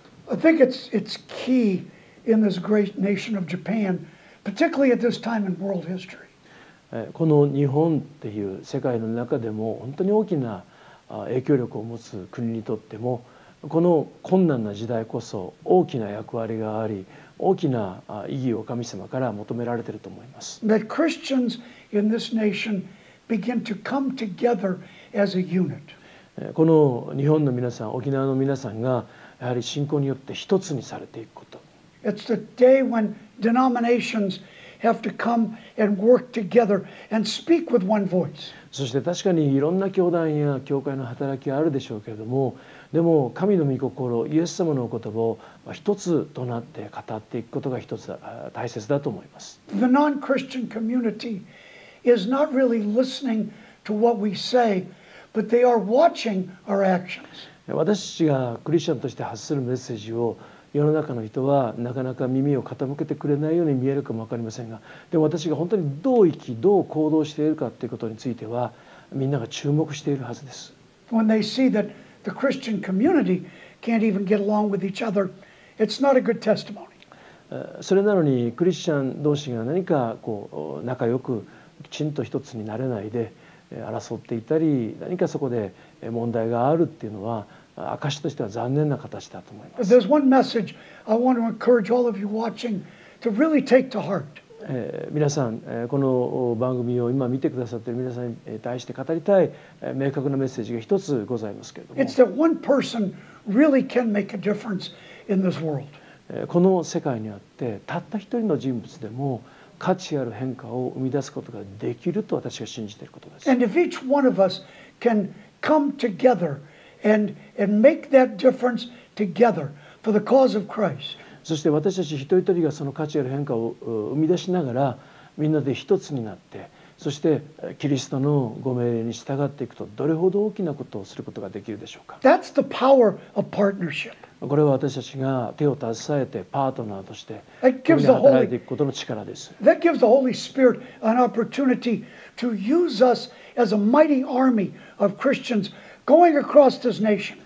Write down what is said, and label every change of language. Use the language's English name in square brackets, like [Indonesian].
[English] I think it's key in this great nation of Japan, particularly at this time in world history. [Japanese] この日本っていう世界の中でも本当に大きな影響力を持つ国にとっても、この困難な時代こそ大きな役割があり、大きな意義を神様から求められていると思います。 [English] That Christians in this nation begin to come together as a unit. [Japanese] この日本の皆さん、沖縄の皆さんがやはり信仰によって一つにされていくこと。 [English] It's the day when denominations have to come and work together and speak with one voice. [Japanese] そして確かにいろんな教団や教会の働きはあるでしょうけれども、でも神の御心、イエス様のお言葉を一つとなって語っていくことが一つ大切だと思います。 [English] The non-Christian community is not really listening to what we say, but they are watching our actions. [Japanese] 私たちがクリスチャンとして発するメッセージを、世の中の人はなかなか耳を傾けてくれないように見えるかも分かりませんが、でも私が本当にどう生き、どう行動しているかということについては、みんなが注目しているはずです。 [English] When they see that the Christian community can't even get along with each other, it's not a good testimony. [Japanese] それなのにクリスチャン同士が何かこう仲良くきちんと一つになれないで争っていたり、何かそこで問題があるっていうのは、証しとしては残念な形だと思います。 [English] There's one message I want to encourage all of you watching to really take to heart. [Japanese] 皆さん、この番組を今見てくださっている皆さんに対して語りたい明確なメッセージが一つございますけれども。 [English] It's that one person really can make a difference in this world. [Japanese] この世界にあって、たった一人の人物でも価値ある変化を生み出すことができると私は信じていることです。 [English] And if each one of us can come together and make that difference together for the cause of Christ。 [Japanese] そして私たち一人一人がその価値ある変化を生み出しながら、みんなで一つになって、そしてキリストのご命令に従っていくと、どれほど大きなことをすることができるでしょうか。 [English] That's the power of partnership。 [Japanese] これは私たちが手を携えてパートナーとして共に働いていくことの力です。 [English] That gives the Holy Spirit an opportunity to use us as a mighty army of Christians going across this nation。